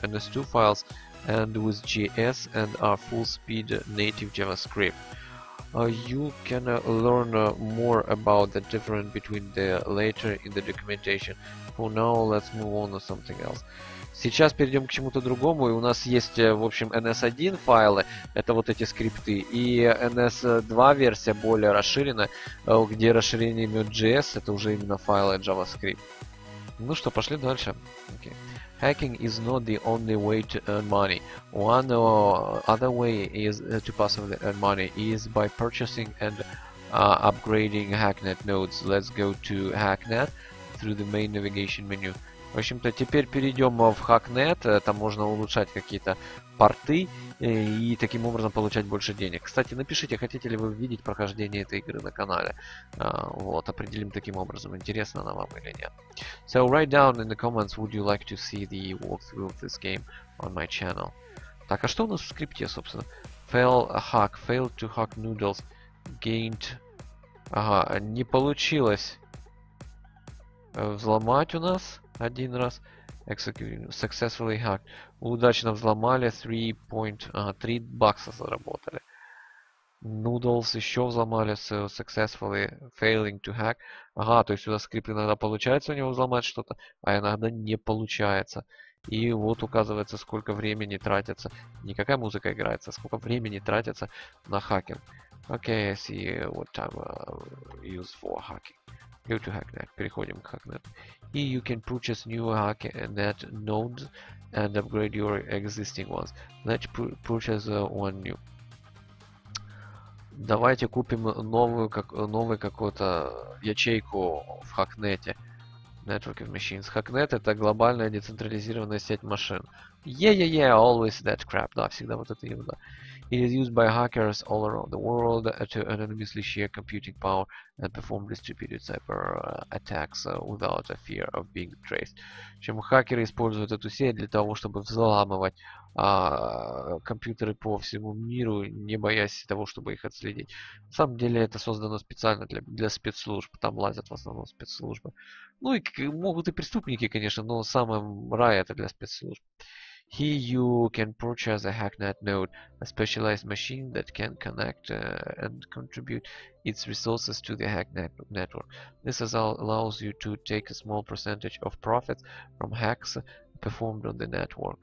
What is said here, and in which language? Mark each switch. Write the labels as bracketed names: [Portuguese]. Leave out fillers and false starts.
[English] NS2 files end with JS and are full speed native JavaScript. You can learn more about the difference between the later in the documentation. For now, let's move on to something else. [Russian] Сейчас перейдем к чему-то другому, и у нас есть, в общем, NS1 файлы, это вот эти скрипты, и NS2 версия более расширена, где расширение имеет JS, это уже именно файлы JavaScript. Ну что, пошли дальше. Okay. [English] Hacking is not the only way to earn money. One other way is to possibly earn money is by purchasing and upgrading Hacknet nodes. Let's go to Hacknet through the main navigation menu. [Russian] В общем-то, теперь перейдем в Hacknet, там можно улучшать какие-то порты и таким образом получать больше денег. Кстати, напишите, хотите ли вы видеть прохождение этой игры на канале. Вот, определим таким образом, интересно она вам или нет. [English] So write down in the comments, would you like to see the walkthrough of this game on my channel? [Russian] Так, а что у нас в скрипте, собственно? [English] Fail hack, fail to hack noodles, gained... [Russian] Ага, не получилось взломать у нас... Один раз. [English] Successfully hacked. [Russian] Удачно взломали. 3 бакса заработали. [English] Noodles [Russian] еще взломали. [English] So successfully failing to hack. [Russian] Ага, то есть у нас скрипт иногда получается у него взломать что-то, а иногда не получается. И вот указывается, сколько времени тратится. Никакая музыка играется. Сколько времени тратится на хакинг. [English] Okay, I see what time used for hacking. Go to Hacknet. [Russian] Переходим к Hacknet. [English] Here you can purchase new Hacknet nodes and upgrade your existing ones. Let's purchase one new. [Russian] Давайте купим новую, как, новую какую-то ячейку в Hacknet. Network of machines. Hacknet — это глобальная децентрализированная сеть машин. [English] Yeah, always that crap. [Russian] Да, всегда вот это ерунда. [English] It is used by hackers all around the world to anonymously share computing power and perform distributed cyber attacks without a fear of being traced. [Russian] Чем хакеры используют эту сеть для того, чтобы взламывать компьютеры по всему миру, не боясь того, чтобы их отследить. На самом деле это создано специально для спецслужб, там лазят в основном спецслужбы. Ну и могут и преступники, конечно, но самое рай это для спецслужб. [English] Here you can purchase a Hacknet node, a specialized machine that can connect and contribute its resources to the Hacknet network. This allows you to take a small percentage of profits from hacks performed on the network.